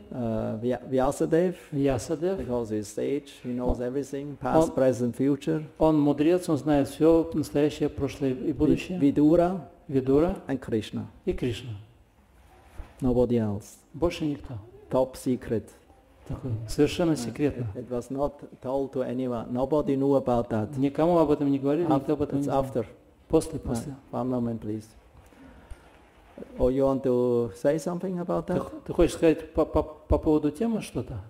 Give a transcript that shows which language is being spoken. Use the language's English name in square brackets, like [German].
[English] Вьясадев, because he's sage, he knows everything, past, present, future. [Russian] Он мудрец, он знает все настоящее, прошлое и будущее. [English] Видура, and Krishna. [Russian] И Кришна. [English] Nobody else. [Russian] Больше никто. [English] Top secret. [Russian] Такой, совершенно секретно. [English] It was not told to anyone. Nobody knew about that. [Russian] Никому об этом не говорили, никто об этом не знал. [English] It's after. [Russian] После. [English] One moment, please. Or you want to say something about that? [Russian] Ты хочешь сказать по поводу темы что-то?